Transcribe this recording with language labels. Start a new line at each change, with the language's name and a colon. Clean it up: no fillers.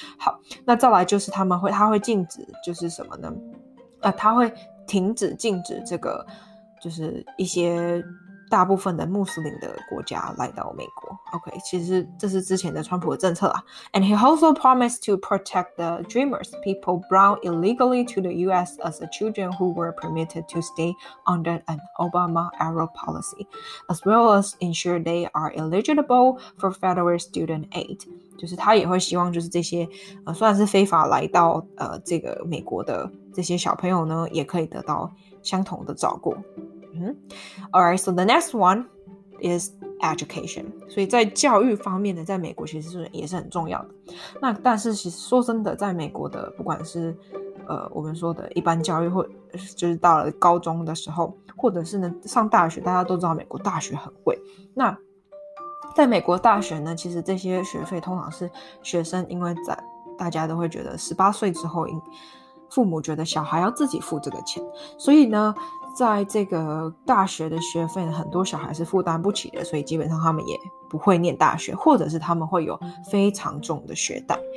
Chinese: 好，那再来就是他会禁止就是什么呢？他会禁止这个就是一些大部分的穆斯林的国家来到美国。 OK, 其实这是之前的川普的政策啦。
English: And he also promised to protect the dreamers, people brought illegally to the US as the children who were permitted to stay under an Obama-era policy, as well as ensure they are eligible for federal student aid.
Chinese: 就是他也会希望就是这些虽然是非法来到这个美国的这些小朋友呢，也可以得到相同的照顾。 Mm-hmm.
English: All right, so the next one is education.
Chinese: 所以在教育方面呢，在美国其实也是很重要的。那但是其实说真的，在美国的不管是我们说的一般教育，或就是到了高中的时候，或者是呢上大学，大家都知道美国大学很贵。那在美国大学呢，其实这些学费通常是学生，因为在大家都会觉得18岁之后，父母觉得小孩要自己付这个钱，所以呢在这个大学的学费很多小孩是负担不起的，所以基本上他们也不会念大学，或者是他们会有非常重的学贷。